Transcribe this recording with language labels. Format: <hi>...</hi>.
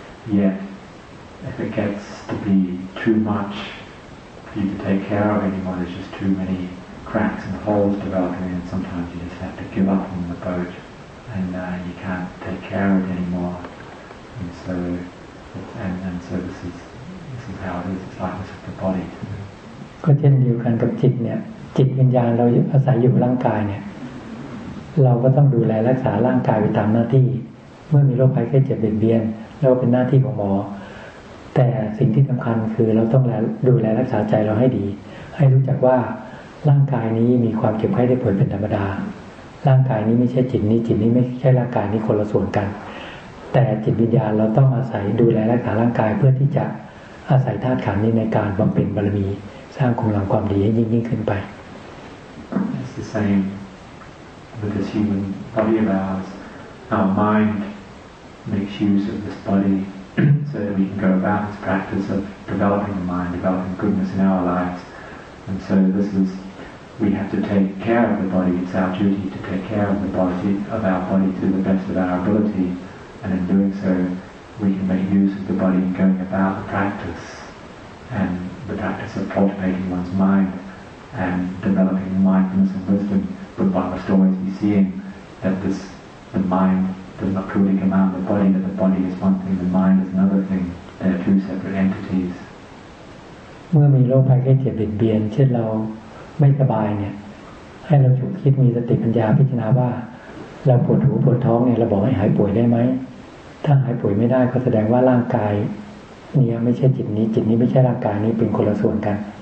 <en>Yet, if it gets to be too much for you to take care of anymore, there's just too many cracks and holes developing, and sometimes you just have to give up on the boat, and you can't take care of it anymore. And so, and so this is how it is. It's like this with the body.</en> <th>ก็เช่นเดียวกันกับจิตเนี่ยจิตวิญญาณเราอาศัยอยู่ร่างกายเนี่ยเราก็ต้องดูแลรักษาร่างกายไปตามหน้าที่เมื่อมีโรคภัยไข้เจ็บเบียดเบียนเราก็เป็นหน้าที่ของหมอ แต่สิ่งที่สำคัญคือเราต้องดูแลรักษาใจเราให้ดีให้รู้จักว่าร่างกายนี้มีความเจ็บไข้ได้ป่วยเป็นธรรมดาร่างกายนี้ไม่ใช่จิตนี้จิตนี้ไม่ใช่ร่างกายนี้คนละส่วนกันแต่จิตวิญญาณเราต้องอาศัยดูแลรักษาร่างกายเพื่อที่จะอาศัยธาตุขันธ์นี้ในการบำเพ็ญบารมีสร้างกำลังความดีให้ยิ่งขึ้นไป</th> <en>It's the same with this human body of ours. Our mind makes use of this body so that we can go about this practice of developing the mind, developing goodness in our lives. And so this is, we have to take care of the body. It's our duty to take care of the body, of our body to the best of our ability. And in doing so, we can make use of the body in going about the practice and. The practice of cultivating one's mind and developing mindfulness and wisdom, but by restoring and seeing that this the mind does not truly command the body, that the body is one thing, the mind is another thing. They are two separate entities.</en> <th>เมื่อมีโรคภัยไข้เจ็บเบียดเบียนเช่นเราไม่สบายเนี่ยให้เราฉุกคิดมีสติปัญญาพิจารณาว่าเราปวดหูปวดท้องเนี่ยเราบอกให้หายป่วยได้ไหมถ้าหายป่วยไม่ได้ก็แสดงว่าร่างกายเนี่ยไม่ใช่จิตนี้จิตนี้ไม่ใช่ร่างกายนี้เป็นคนละส่วนกัน</th>